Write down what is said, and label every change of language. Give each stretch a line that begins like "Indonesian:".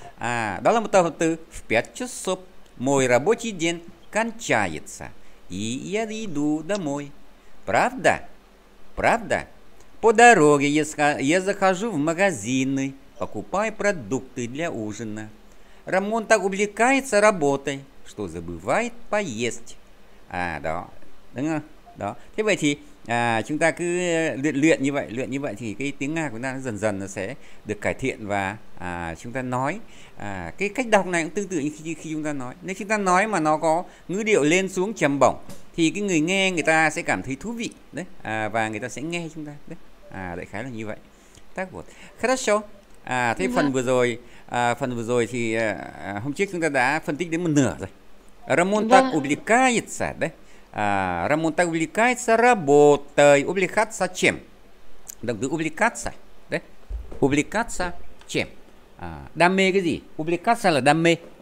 Vietnamese: À, đó là một tập hợp từ спецсоп.
Russian: Мой рабочий день кончается. И я иду домой. Правда? Правда? По дороге я захожу в магазины, покупаю продукты для ужина. Рамон так увлекается работой, что забывает поесть.
Vietnamese: À, đó. Đúng không? Đó. Thế vậy thì chúng ta cứ luyện luyện như vậy, thì cái tiếng Nga của ta dần dần nó sẽ được cải thiện và chúng ta nói cái cách đọc này cũng tương tự như khi chúng ta nói. Nếu chúng ta nói mà nó có ngữ điệu lên xuống trầm bổng thì cái người nghe người ta sẽ cảm thấy thú vị đấy, và người ta sẽ nghe chúng ta đấy. Đại khái là như vậy. Tác vụ.
Russian: Хорошо.
Vietnamese: Thế phần vừa rồi, thì hôm trước chúng ta đã phân tích đến một nửa rồi.
Russian: Рамон так увлекается, đấy. Рамон так увлекается работой. Увлекаться чем?
Vietnamese: Động từ увлекаться, đấy.
Russian: Увлекаться чем?
Vietnamese: Đam mê cái gì? Увлекаться là đam mê.